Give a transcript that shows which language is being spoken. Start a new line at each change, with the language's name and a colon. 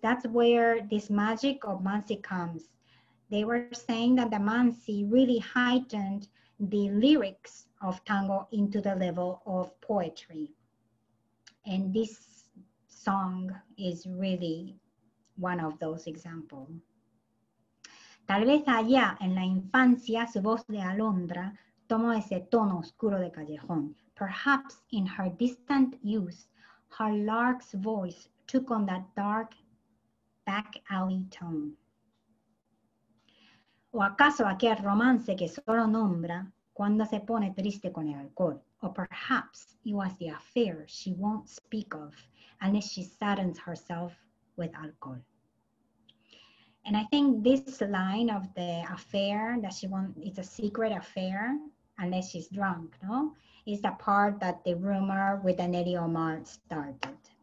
English: That's where this magic of Mansi comes. They were saying that the Mansi really heightened the lyrics of tango into the level of poetry. And this song is really one of those examples.
Spanish: Tal vez allá en la infancia su voz de alondra tomó ese tono oscuro de callejón.
English: Perhaps in her distant youth, her lark's voice took on that dark back alley tone.
Spanish: ¿O acaso aquel romance que solo nombra cuando se pone triste con el alcohol?
English: Or perhaps it was the affair she won't speak of unless she saddens herself with alcohol. And I think this line of the affair that she won't, it's a secret affair unless she's drunk, no? Is the part that the rumor with Nelly Omar started.